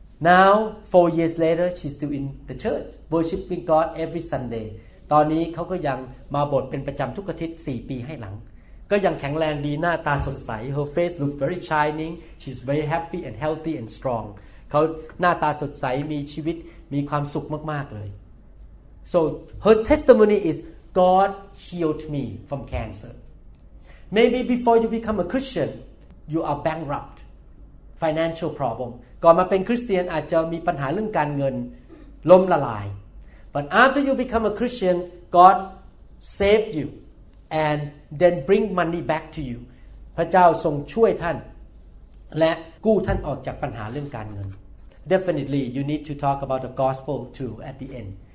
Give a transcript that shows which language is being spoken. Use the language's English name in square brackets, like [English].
[English] Now 4 years later she's still in the church worshiping God every Sunday [Thai] ตอนนี้เขาก็ยังมาโบสถ์เป็นประจำทุกอาทิตย์4ปีให้หลังก็ยังแข็งแรงดีหน้าตาสดใส [English] her face looked very shining she's very happy and healthy and strong [Thai] เขาหน้าตาสดใสมีชีวิตมีความสุขมากๆเลย [English] So her testimony isGod healed me from cancer. Maybe before you become a Christian, you are bankrupt, financial problem. [Thai] ก่อนมาเป็นคริสเตียนอาจจะมีปัญหาเรื่องการเงินล้มละลาย [English] But after you become a Christian, God saved you and then bring money back to you. [Thai] พระเจ้าทรงช่วยท่านและกู้ท่านออกจากปัญหาเรื่องการเงิน [English] Definitely, you need to talk about the gospel too at the end.